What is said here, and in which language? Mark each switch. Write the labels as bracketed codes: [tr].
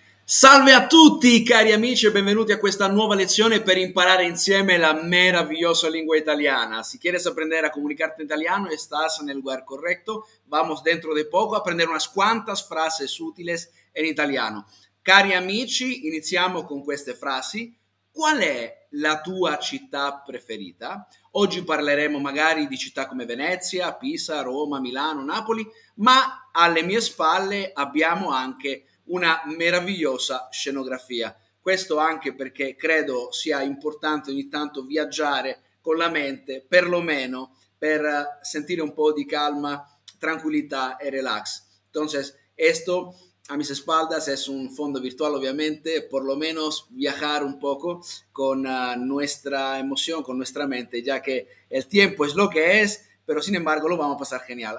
[it] Salve a tutti cari amici e benvenuti a questa nuova lezione per imparare insieme la meravigliosa lingua italiana. [es] Si quieres aprender a comunicarte in italiano, estás en el lugar correcto. Vamos dentro de poco a aprender unas cuantas frases útiles en italiano. [it] Cari amici, iniziamo con queste frasi. Qual è la tua città preferita? Oggi parleremo magari di città come Venezia, Pisa, Roma, Milano, Napoli, ma alle mie spalle abbiamo anche una meravigliosa scenografia. Questo anche perché credo sia importante ogni tanto viaggiare con la mente, perlomeno per sentire un po' di calma, tranquillità e relax. [es] Entonces, esto a mis espaldas es un fondo virtual, obviamente, por lo menos viajar un poco con nuestra emoción, con nuestra mente, ya que el tiempo es lo que es, pero sin embargo lo vamos a pasar genial.